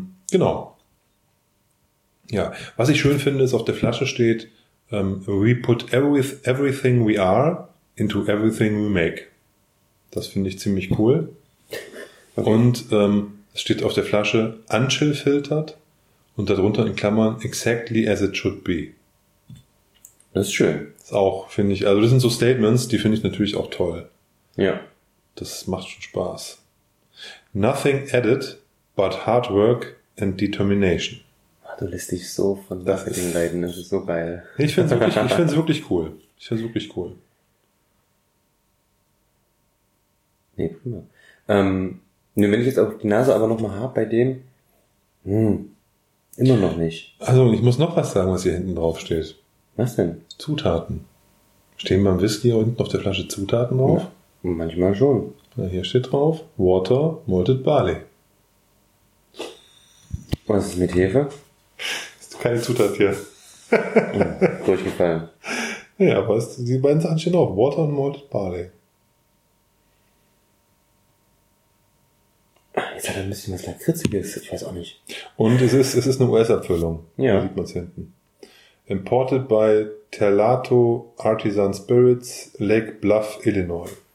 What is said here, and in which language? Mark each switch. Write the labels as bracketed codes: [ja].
[de] Genau. Ja, was ich schön finde, ist, auf der Flasche steht, [en] we put everything we are into everything we make. [de] Das finde ich ziemlich cool. Okay. Und, es steht auf der Flasche unchill filtert Und darunter in Klammern, [en] exactly as it should be. [de] Das ist schön. Das ist auch, finde ich, also das sind so Statements, die finde ich natürlich auch toll. Ja. Das macht schon Spaß. [en] Nothing added but hard work and determination. [de] Du lässt dich so von Marketing leiden, das ist so geil. Ich finde es wirklich, ich finde es wirklich cool. Nee, prima. Wenn ich jetzt auch die Nase aber nochmal habe bei dem, immer noch nicht. Also, ich muss noch was sagen, was hier hinten drauf steht. Was denn? Zutaten. Stehen beim Whisky unten auf der Flasche Zutaten drauf? Ja, manchmal schon. Na, hier steht drauf, Water, Malted Barley. Was ist mit Hefe? Ist keine Zutat hier. Durchgefallen. Ja, aber die beiden Sachen stehen drauf, Water und Malted Barley. Jetzt hat er ein bisschen was Lakritziges, ich weiß auch nicht. Und es ist eine US-Abfüllung. Ja. Da sieht man es hinten. [en] Imported by Terlato Artisan Spirits, Lake Bluff, Illinois.